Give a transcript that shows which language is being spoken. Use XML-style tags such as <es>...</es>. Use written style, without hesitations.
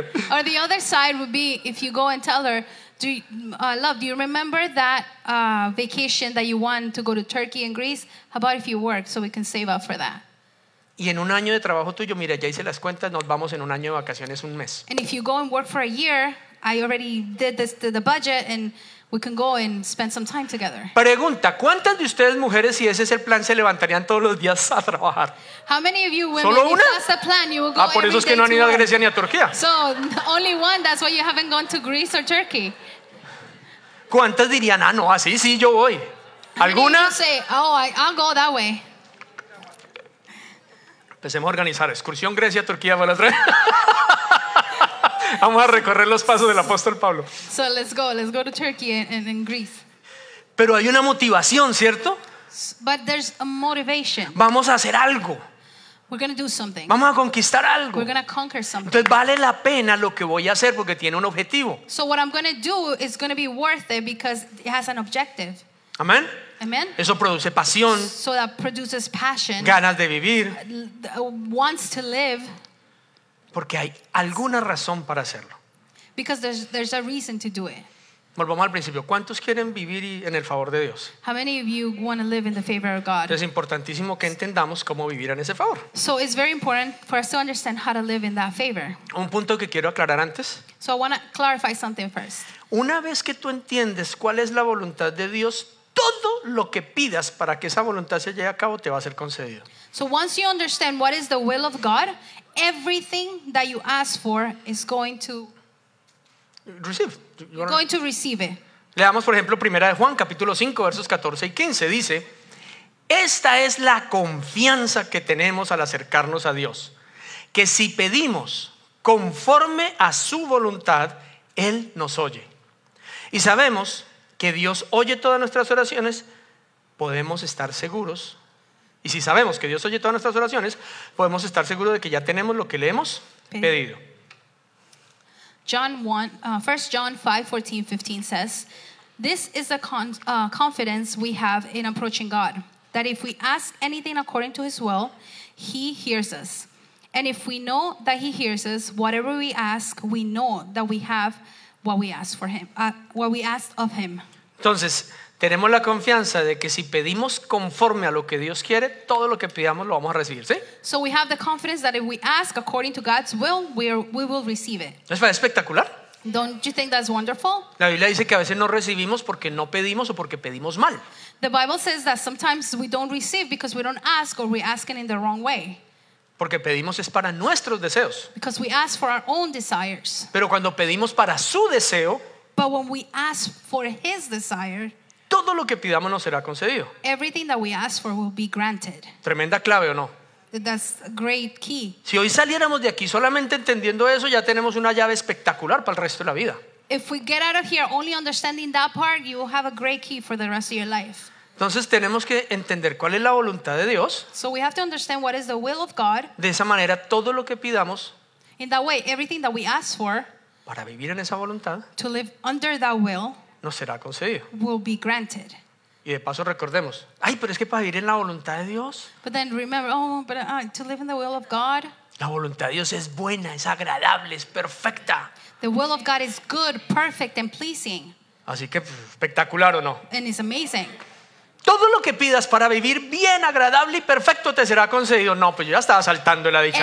<en>Or the other side would be if you go and tell her, love, do you remember that vacation that you want to go to Turkey and Greece? How about if you work so we can save up for that?</en> <es>Y en un año de trabajo tuyo, mira, ya hice las cuentas, nos vamos en un año de vacaciones un mes.</es> <en>And if you go and work for a year, I already did this to the budget and we can go and spend some time together.</en> <es>Pregunta, ¿cuántas de ustedes mujeres, si ese es el plan, se levantarían todos los días a trabajar?</es> <en>How many of you women, if that's the plan, you will go?</en> <es>Ah, por eso es que no han ido a Grecia ni a Turquía.</es> <en>So, only one, that's why you haven't gone to Greece or Turkey.</en> <es>¿Cuántas dirían, ah, no, así sí, yo voy? ¿Alguna?</es> <en>Say, oh, I'll go that way.</en> <es>Empecemos a organizar excursión Grecia, Turquía, para las tres. Vamos a recorrer los pasos del apóstol Pablo.</es> <en>So let's go to Turkey and in Greece.</en> <es>Pero hay una motivación, ¿cierto?</es> <en>But there's a motivation.</en> <es>Vamos a hacer algo.</es> <en>We're going to do something.</en> <es>Vamos a conquistar algo.</es> <en>We're going to conquer something.</en> <es>Entonces vale la pena lo que voy a hacer porque tiene un objetivo.</es> <en>So what I'm going to do is going to be worth it because it has an objective.</en> <es>Amén.</es> <en>Amen.</en> <es>Eso produce pasión.</es> <en>So that produces passion.</en> <es>Ganas de vivir.</es> <en>Wants to live.</en> <es>Porque hay alguna razón para hacerlo.</es> <en>Because there's a reason to do it.</en> <es>Volvamos al principio. ¿Cuántos quieren vivir en el favor de Dios?</es> <en>How many of you want to live in the favor of God?</en> <es>Es importantísimo que entendamos cómo vivir en ese favor.</es> <en>So it's very important for us to understand how to live in that favor.</en> <es>Un punto que quiero aclarar antes.</es> <en>So I want to clarify something first.</en> <es>Una vez que tú entiendes cuál es la voluntad de Dios, todo lo que pidas para que esa voluntad se lleve a cabo te va a ser concedido.</es> <en>So once you understand what is the will of God, everything that you ask for is going to receive. You're going to receive it.</en> <es>Leamos, por ejemplo, 1 Juan capítulo 5, versos 14 y 15. Dice, Esta es la confianza que tenemos al acercarnos a Dios, que si pedimos conforme a su voluntad, Él nos oye. Y sabemos que Dios oye todas nuestras oraciones, podemos estar seguros. Y si sabemos que Dios oye todas nuestras oraciones, podemos estar seguros de que ya tenemos lo que le hemos pedido.</es> <en>John 1 John 5:14-15 says, "This is the confidence we have in approaching God, that if we ask anything according to his will, he hears us. And if we know that he hears us, whatever we ask, we know that we have what we ask for him, what we ask of him."</en> <es>Entonces, tenemos la confianza de que si pedimos conforme a lo que Dios quiere, todo lo que pidamos lo vamos a recibir, ¿sí?</es> <en>So we have the confidence that if we ask according to God's will, we will receive it.</en> <es>¿No es espectacular?</es> <en>Don't you think that's wonderful?</en> <es>La Biblia dice que a veces no recibimos porque no pedimos o porque pedimos mal.</es> <en>The Bible says that sometimes we don't receive because we don't ask or we're asking in the wrong way.</en> <es>Porque pedimos es para nuestros deseos.</es> <en>Because we ask for our own desires.</en> <es>Pero cuando pedimos para su deseo,</es> <en>but when we ask for his desire,</en> <es>todo lo que pidamos nos será concedido.</es> <en>Everything that we ask for will be granted.</en> <es>Tremenda clave, ¿o no?</es> <en>That's a great key.</en> <es>Si hoy saliéramos de aquí solamente entendiendo eso, ya tenemos una llave espectacular para el resto de la vida.</es> <en>If we get out of here only understanding that part, you will have a great key for the rest of your life.</en> <es>Entonces tenemos que entender cuál es la voluntad de Dios.</es> <en>So we have to understand what is the will of God.</en> <es>De esa manera, todo lo que pidamos,</es> <en>in that way, everything that we ask for,</en> <es>para vivir en esa voluntad,</es> <en>to live under that will,</en> <es>nos será concedido.</es> <en>Will be granted.</en> <es>Y de paso recordemos, ay, pero es que para vivir en la voluntad de Dios.</es> <en>But then remember, to live in the will of God.</en> <es>La voluntad de Dios es buena, es agradable, es perfecta.</es> <en>The will of God is good, perfect, and pleasing.</en> <es>Así que espectacular, ¿o no?</es> <en>And it's amazing.</en> <es>Todo lo que pidas para vivir bien, agradable y perfecto te será concedido. No, pues yo ya estaba saltando la dicha</es>